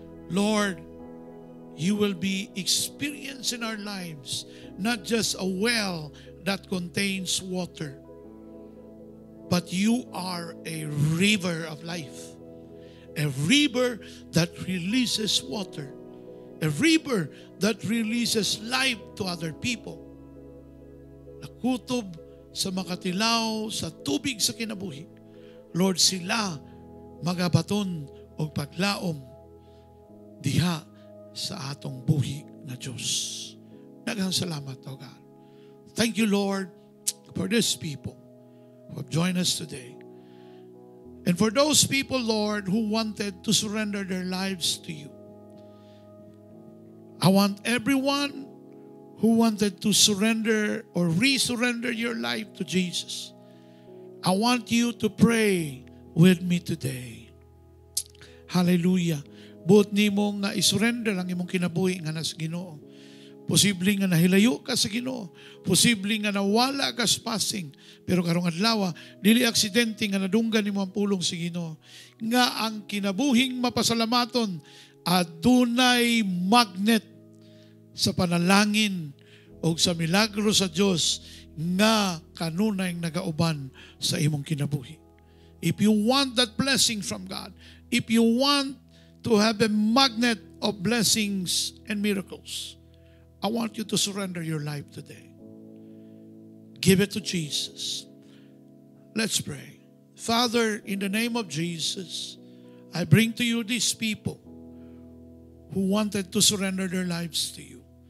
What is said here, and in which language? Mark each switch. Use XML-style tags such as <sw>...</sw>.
<en>Lord, you will be experiencing our lives, not just a well that contains water, but you are a river of life, a river that releases water, a river that releases life to other people.</en> <ceb>Nakutob sa makatilaw, sa tubig sa kinabuhi, Lord, sila magabaton o paglaom diha sa atong buhi na Diyos. Daghang salamat, O God.</ceb> <en>Thank you, Lord, for these people who have joined us today. And for those people, Lord, who wanted to surrender their lives to you. I want everyone who wanted to surrender or re-surrender your life to Jesus. I want you to pray with me today. Hallelujah.</en> <ceb>Buot nimo nga i-surrender ang imong kinabuhi nga nas Ginoo. Posible nga nahilayo ka sa Ginoo. Posible nga nawala ka sa passing. Pero karong adlaw, dili aksidente nga nadunggan nimo ang pulong si Ginoo. Nga ang kinabuhing mapasalamaton adunay magnet sa panalangin o sa milagro sa Diyos nga kanunayng nagauban sa imong kinabuhi.</ceb> <en>If you want that blessing from God, if you want to have a magnet of blessings and miracles, I want you to surrender your life today. Give it to Jesus. Let's pray. Father, in the name of Jesus, I bring to you these people who wanted to surrender their lives to you.</en>